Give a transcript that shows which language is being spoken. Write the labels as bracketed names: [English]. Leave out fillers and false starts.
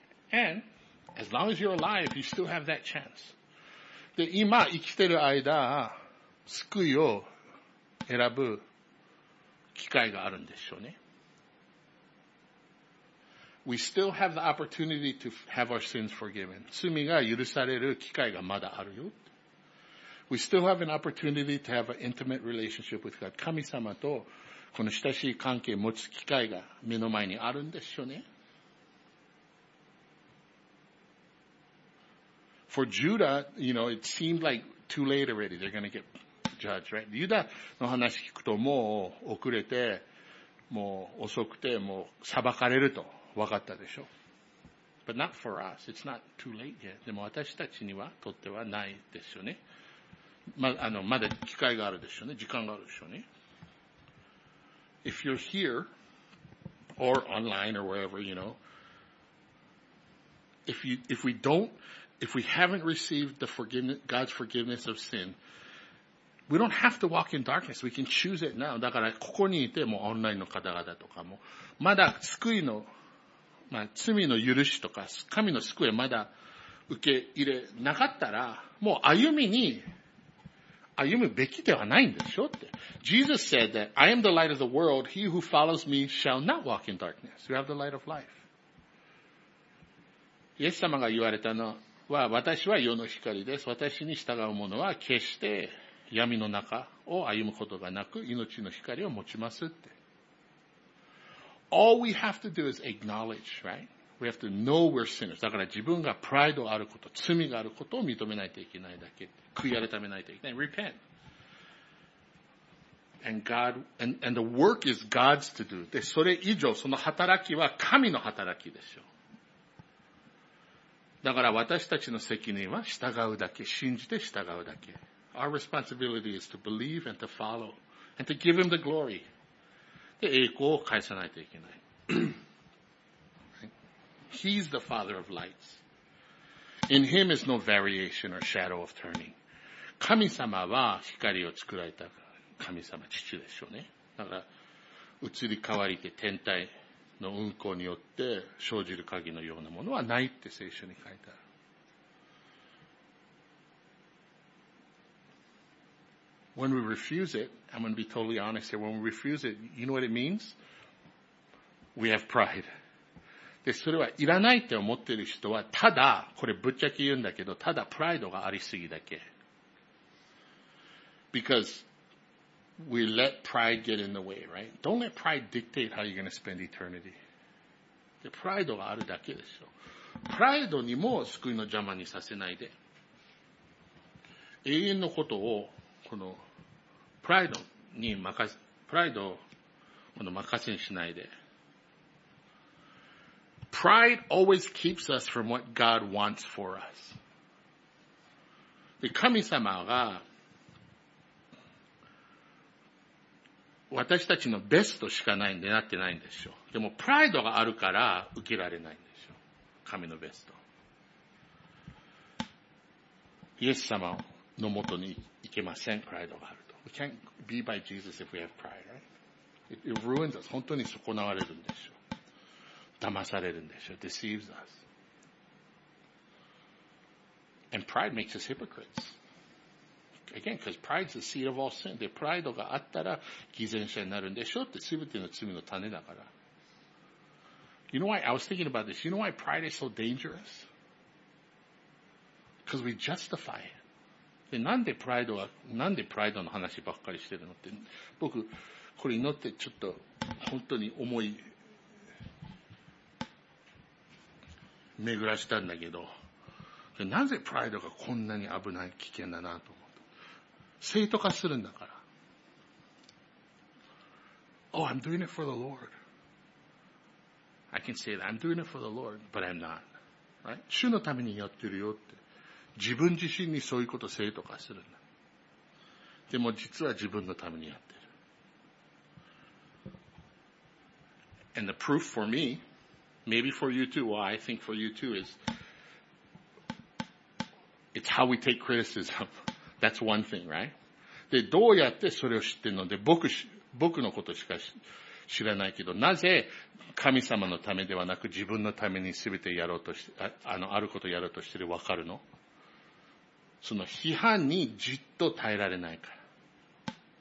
[English] And, as long as you're alive, you still have that chance. [Japanese] で、今生きてる間、救いを選ぶ機会があるんでしょうね。 [English] We still have the opportunity to have our sins forgiven. [Japanese] 罪が許される機会がまだあるよ。 [English] We still have an opportunity to have an intimate relationship with God. [Japanese] 神様とこの親しい関係を持つ機会が目の前にあるんでしょうね。 [English] For Judah, you know, it seemed like too late already. They're going to get judge, right? [Japanese] ユダの話聞くともう遅れて、もう遅くて、もう裁かれると分かったでしょ。 [English] But not for us. It's not too late yet. [Japanese] でも私たちにはとってはないですよね。ま、あの、まだ機会があるでしょうね。時間があるでしょうね。 [English] If you're here, or online, or wherever, you know, if we haven't received the forgiveness, God's forgiveness of sin, we don't have to walk in darkness. We can choose it now. [Japanese] だから、ここにいてもオンラインの方々とかも、まだ救いの、まあ、罪の許しとか、神の救いまだ受け入れなかったら、もう歩みに、歩むべきではないんでしょって。 [English] Jesus said that, I am the light of the world, he who follows me shall not walk in darkness. You have the light of life. [Japanese] イエス様が言われたのは、私は世の光です。私に従う者は決して闇の中を歩むことがなく命の光を持ちますって。 [English] All we have to do is acknowledge, right? We have to know we're sinners. [Japanese] だから自分がプライドあること、罪があることを認めないといけないだけ。悔い改めないといけない。 [English] Repent. And God, and the work is God's to do. [Japanese] で、それ以上、その働きは神の働きですよ。だから私たちの責任は従うだけ、信じて従うだけ。 [English] Our responsibility is to believe and to follow and to give him the glory. [Japanese] で、栄光を返さないといけない。 [English] He's the father of lights. In him is no variation or shadow of turning. [Japanese] 神様は光を作られた神様、父でしょうね。だから、移り変わりて天体の運行によって生じる鍵のようなものはないって聖書に書いてある。 [English] When we refuse it, I'm going to be totally honest here, when we refuse it, you know what it means? We have pride. [Japanese] で、それはいらないって思ってる人は、ただ、これぶっちゃけ言うんだけど、ただプライドがありすぎだけ。 [English] Because we let pride get in the way, right? Don't let pride dictate how you're going to spend eternity. [Japanese] で、プライドがあるだけでしょ。プライドにも救いの邪魔にさせないで。永遠のことを、この、プライドに任せ、プライドをこの任せにしないで。 [English] Pride always keeps us from what God wants for us. [Japanese] で、神様が私たちのベストしかないんでなってないんでしょう。でも、プライドがあるから受けられないんでしょう。神のベスト。イエス様のもとに行けません、プライドがあると。 [English] We can't be by Jesus if we have pride, right? It ruins us. [Japanese] 本当に損なわれるんでしょう。騙されるんでしょ。 [English] Deceives us. And pride makes us hypocrites. Again, because pride is the seed of all sin. [Japanese] で、プライドがあったら偽善者になるんでしょって、すべての罪の種だから。 [English] You know why? I was thinking about this. You know why pride is so dangerous? Because we justify it. [Japanese] で、なんでプライドは、なんでプライドの話ばっかりしてるのって、僕、これ祈ってちょっと、本当に重い、巡らしたんだけど、なぜプライドがこんなに危ない、危険だなと思って。正当化するんだから。 [English] Oh, I'm doing it for the Lord. I can say that. I'm doing it for the Lord, but I'm not. Right? [Japanese] 主のためにやってるよって。自分自身にそういうことを正当化するんだ。でも実は自分のためにやってる。 [English] And the proof for me,Maybe for you too, well, I think for you too is, it's how we take criticism. That's one thing, right? [Japanese] で、どうやってそれを知ってるので、僕のことしか知らないけど、なぜ神様のためではなく自分のために全てやろうとして、あることをやろうとしてるわかるの? その批判にじっと耐えられないから。